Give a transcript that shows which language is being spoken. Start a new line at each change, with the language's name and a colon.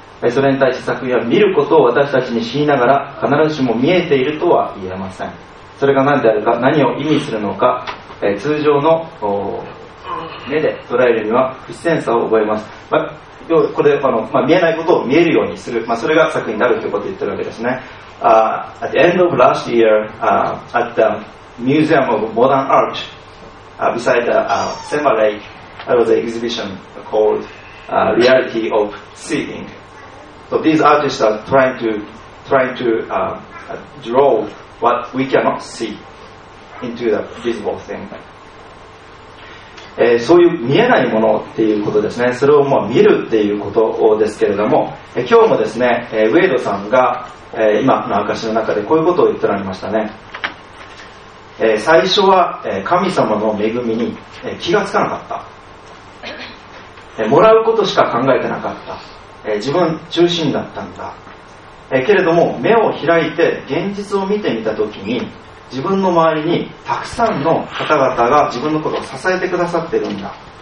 Japanese: それに対して作品は見ることを私たちに知りながら必ずしも見えているとは言えません。それが何であるか、何を意味するのか、通常の目で捉えるには不自然さを覚えます。まあ、これ見えないことを見えるようにする、まあ、それが作品になるということを言ってるわけですね。
English: At the end of last year, at the Museum of Modern Art, beside the Sema Lake, there was an exhibition called Reality of Seeing. So these artists are trying to draw what we cannot see into the visible thing.
Japanese: そういう見えないものっていうことですね。それをもう見るっていうことですけれども、今日もですね、ウェイドさんが今の証の中でこういうことを言っておられましたね。最初は神様の恵みに気がつかなかった、もらうことしか考えてなかった、自分中心だったんだ、けれども目を開いて現実を見てみたときに、自分の周りにたくさんの方々が自分のことを支えてくださっているんだ、